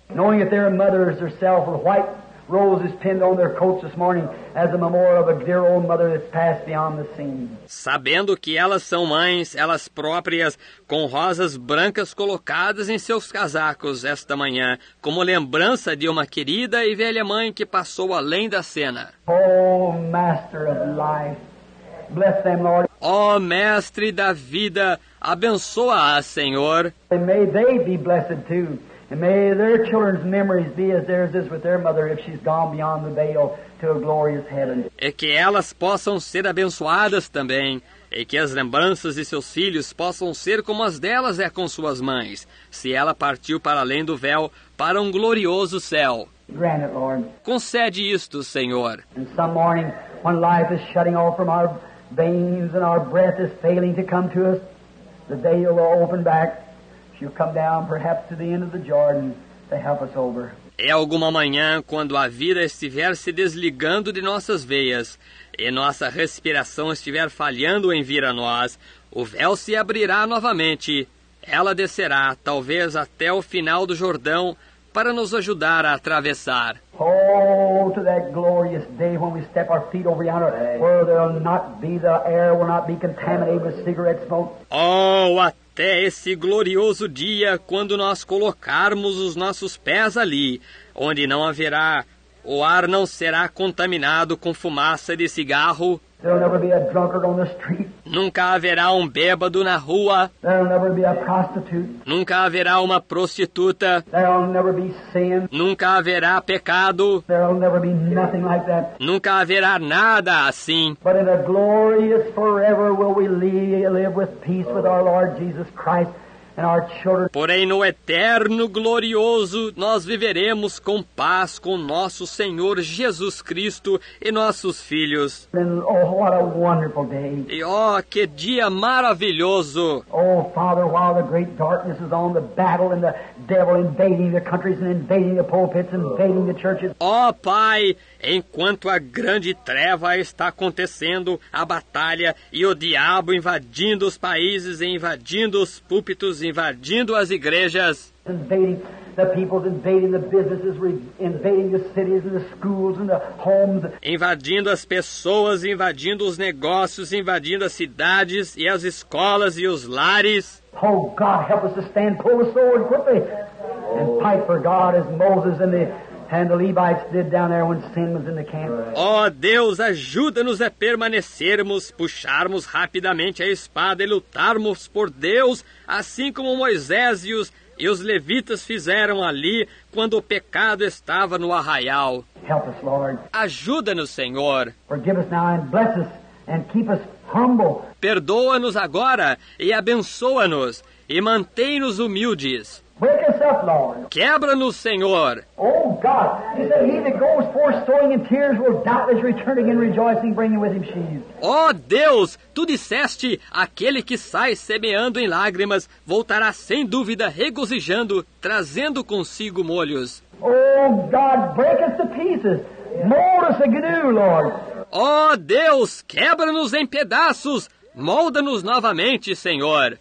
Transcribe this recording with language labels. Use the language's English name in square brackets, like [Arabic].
[English] Knowing that their mothers herself with white roses pinned on their coats this morning as a memorial of a dear old mother that's passed beyond the scene. [Portuguese] Sabendo que elas são mães, elas próprias, com rosas brancas colocadas em seus casacos esta manhã, como lembrança de uma querida e velha mãe que passou além da cena. [English] Oh, Master of Life. Bless them, Lord. [Portuguese] Oh, Mestre da Vida, abençoa-as, Senhor. [English] And may they be blessed too. And may their children's memories be as theirs is with their mother if she's gone beyond the veil to a glorious heaven. [Portuguese] E que elas possam ser abençoadas também. E que as lembranças de seus filhos possam ser como as delas é com suas mães, se ela partiu para além do véu, para um glorioso céu. [English] Grant it, Lord. [Portuguese] Concede isto, Senhor. [English] And some morning, when life is shutting off from our veins and our breath is failing to come to us, the veil will open back. She'll come down perhaps to the end of the Jordan to help us over. [Portuguese] É alguma manhã quando a vida estiver se desligando de nossas veias e nossa respiração estiver falhando em vir a nós, o véu se abrirá novamente. Ela descerá, talvez até o final do Jordão, para nos ajudar a atravessar. [English] Oh, to that glorious day when we step our feet over yonder, where there will not be the air will not be contaminated with cigarette smoke. [Portuguese] Oh, até esse glorioso dia quando nós colocarmos os nossos pés ali, onde não haverá, o ar não será contaminado com fumaça de cigarro. [English] There'll never be a drunkard on the street. [Portuguese] Nunca haverá um bêbado na rua. [English] There'll never be a prostitute. [Portuguese] Nunca haverá uma prostituta. [English] There'll never be sin. [Portuguese] Nunca haverá pecado. [English] There'll never be nothing like that. [Portuguese] Nunca haverá nada assim. [English] But in a glorious forever will we live with peace with our Lord Jesus Christ and our children. [Portuguese] Porém, no eterno glorioso, nós viveremos com paz com nosso Senhor Jesus Cristo e nossos filhos. [English] And, oh, what a wonderful day. [Portuguese] E, oh, que dia maravilhoso. [English] Oh, Father, while the great darkness is on, the battle and the devil invading the countries and invading the pulpits and invading the churches. [Portuguese] Oh, Pai, enquanto a grande treva está acontecendo, a batalha e o diabo invadindo os países e invadindo os púlpitos, invadindo as igrejas, [English] invading the peoples, invading the businesses, invading the cities and the schools and the homes, [Portuguese] invadindo as pessoas, invadindo os negócios, invadindo as cidades e as escolas e os lares. [English] Oh God, help us to stand, pull the sword quickly and fight for God as Moses and the Levites did down there when sin was in the camp. [Portuguese] Oh Deus, ajuda-nos a permanecermos, puxarmos rapidamente a espada e lutarmos por Deus, assim como Moisés e os levitas fizeram ali quando o pecado estava no arraial. [English] Help us, Lord. [Portuguese] Ajuda-nos, Senhor. [English] Forgive us now and bless us and keep us humble. [Portuguese] Perdoa-nos agora e abençoa-nos e mantém-nos humildes. [English] Wake us up, Lord. [Portuguese] Quebra-nos, Senhor. [English] Oh God, he said, he that goes forth sowing in tears will doubtless return again rejoicing, bringing with him sheaves. [Portuguese] Oh Deus, tu disseste, aquele que sai semeando em lágrimas voltará sem dúvida regozijando, trazendo consigo molhos. [English] Oh God, break us to pieces, mold us anew, Lord. [Portuguese] Oh Deus, quebra-nos em pedaços. Molda-nos novamente, Senhor.